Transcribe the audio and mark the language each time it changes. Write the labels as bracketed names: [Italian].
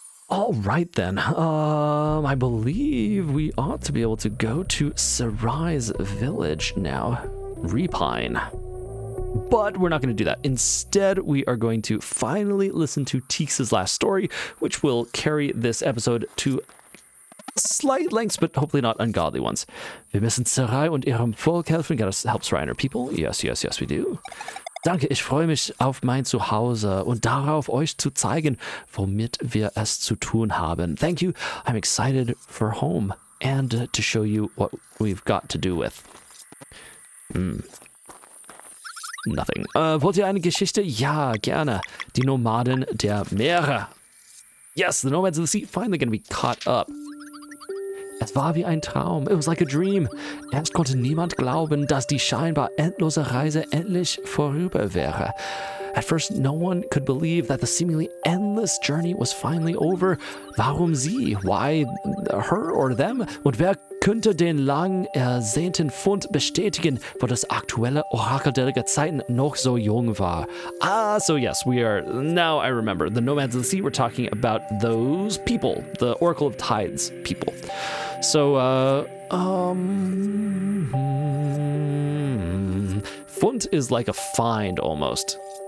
[English] Alright then, I believe we ought to be able to go to Sarai's village now, Repine. But we're not going to do that. Instead, we are going to finally listen to Teeks' last story, which will carry this episode to slight lengths, but hopefully not ungodly ones. [German] Wir müssen Sarai und ihrem Volk helfen, [English] gotta help Sarai and her people. Yes, yes, yes, we do. [German] Danke, ich freue mich auf mein Zuhause und darauf, euch zu zeigen, womit wir es zu tun haben. [English] Thank you. I'm excited for home and to show you what we've got to do with. Nothing. [German] Wollt ihr eine Geschichte? Ja, gerne. Die Nomaden der Meere. [English] Yes, the Nomads of the Sea finally gonna be caught up. [German] Es war wie ein Traum. [English] It was like a dream. [German] Erst konnte niemand glauben, dass die scheinbar endlose Reise endlich vorüber wäre. [English] At first, no one could believe that the seemingly endless journey was finally over. [German] Warum sie? [English] Why her or them? [German] Und wer könnte den lang ersehnten Fund bestätigen, wo das aktuelle Orakel der Zeiten noch so jung war? [English] Ah, so yes, we are, now I remember, the Nomads of the Sea, we're talking about those people, the Oracle of Tides people. So, Fund is like a find almost.